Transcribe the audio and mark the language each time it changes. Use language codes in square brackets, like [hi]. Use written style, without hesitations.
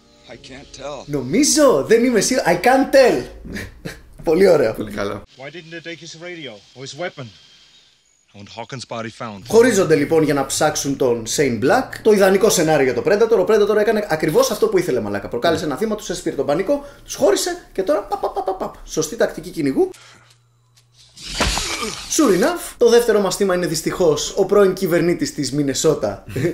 [en] I can't tell. [el] Νομίζω, δεν είμαι σίγουρο. [en] I can't tell. [el] Πολύ ωραίο. Πολύ καλό. [en] Why didn't they take his radio or his weapon? And Hawkins' body found. [el] Χωρίζονται λοιπόν για να ψάξουν τον Shane Black. Το ιδανικό σενάριο για το Predator. Ο Predator έκανε ακριβώς αυτό που ήθελε, μαλάκα. Προκάλεσε ένα θύμα, τους έσπηρε τον πανικό, τους χώρισε και τώρα παπαπαπαπαπ. Σωστή τακτική κυνηγού. [en] Sure enough, [el] το δεύτερο μας θύμα είναι δυστυχώς ο πρώην κυβερνήτης της Μινεσότα.